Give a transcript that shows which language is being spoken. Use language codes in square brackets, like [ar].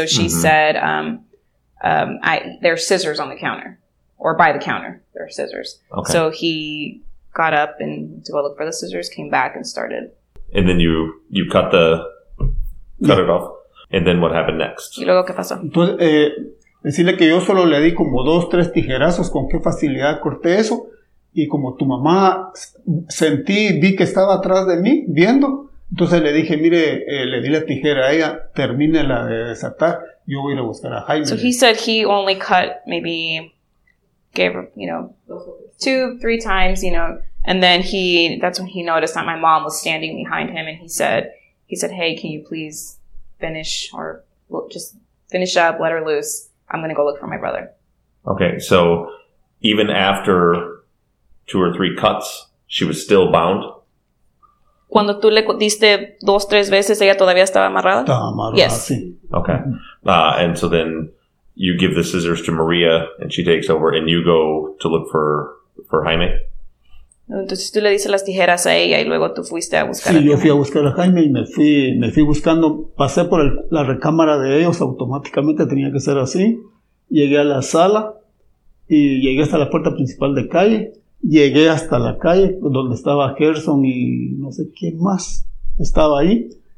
[en] So she mm-hmm. said, there are scissors on the counter or by the counter. There are scissors. Okay. So he got up and went to go look for the scissors, came back and started. And then you cut the, cut yeah. it off. And then what happened next? [es] Y luego, ¿qué pasó? Entonces, decirle que yo solo le di como dos, tres tijerazos, con qué facilidad corté eso. Y como tu mamá sentí, vi que estaba atrás de mí, viendo. Entonces le dije, mire, le di la tijera a ella, termine la de desatar, yo voy a ir a buscar a Jaime. [en] So he said he only cut maybe, gave, you know, two, three times, you know. And then that's when he noticed that my mom was standing behind him. And he said, hey, can you please finish or just finish up, let her loose. I'm going to go look for my brother. Okay, so even after two or three cuts, she was still bound? [es] Cuando tú le diste dos, tres veces, ella todavía estaba amarrada? Estaba amarrada, [en] yes. [es] Sí. [en] Okay. And so then you give the scissors to Maria and she takes over and you go to look for Jaime? [es] Entonces tú le dices las tijeras a ella y luego tú fuiste a buscar sí, a Jaime. Sí, yo fui a buscar a Jaime y me fui buscando. Pasé por la recámara de ellos automáticamente, tenía que ser así. Llegué a la sala y llegué hasta la puerta principal de calle. Llegué hasta la calle donde estaba Gerson y no sé quién más estaba ahí.